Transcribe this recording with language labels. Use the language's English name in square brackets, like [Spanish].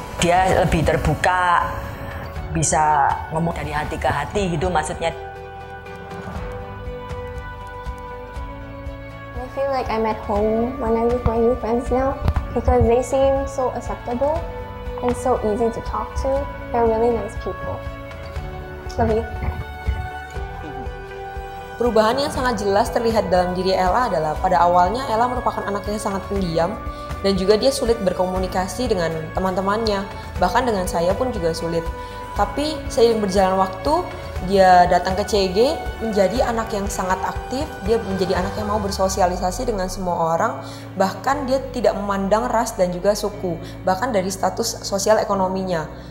[Indonesian] Dia lebih terbuka, bisa ngomong dari hati ke hati gitu maksudnya. [English] I feel like I'm at home when I'm with my new friends now because they seem so acceptable and so easy to talk to. They're really nice people. Love you. [Indonesian] Perubahan yang sangat jelas terlihat dalam diri Ella adalah pada awalnya Ella merupakan anak yang sangat pendiam dan juga dia sulit berkomunikasi dengan teman-temannya, bahkan dengan saya pun juga sulit. Tapi seiring berjalan waktu, dia datang ke CG menjadi anak yang sangat aktif, dia menjadi anak yang mau bersosialisasi dengan semua orang, bahkan dia tidak memandang ras dan juga suku, bahkan dari status sosial ekonominya.